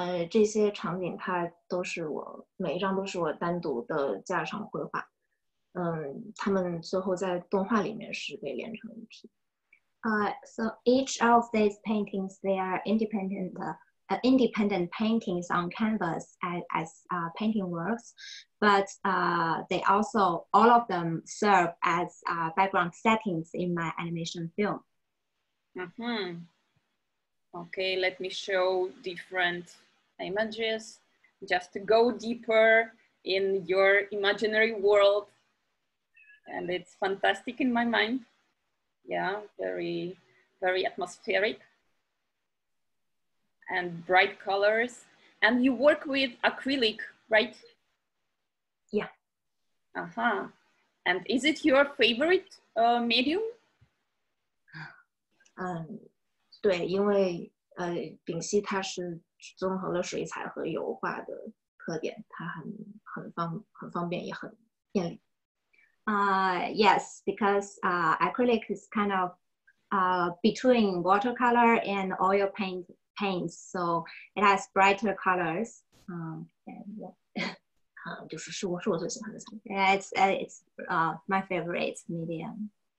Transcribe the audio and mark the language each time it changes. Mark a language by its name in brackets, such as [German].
[Chinese] 这些场景它都是我每一张都是我单独的架上绘画，他们最后在动画里面是被连成一体。 [English] So each of these paintings, they are independent paintings on canvas as painting works, but they also, all of them serve as background settings in my animation film. Mm-hmm. Okay, let me show different images just to go deeper in your imaginary world. And it's fantastic in my mind. Yeah, very, very atmospheric and bright colors. And you work with acrylic, right? Yeah. Uh-huh. And is it your favorite medium? [Chinese] 对，因为丙烯它是综合了水彩和油画的特点，它很方便，也很便利。 [English] Yes, because acrylic is kind of between watercolor and oil paints, so it has brighter colors. My favorite medium.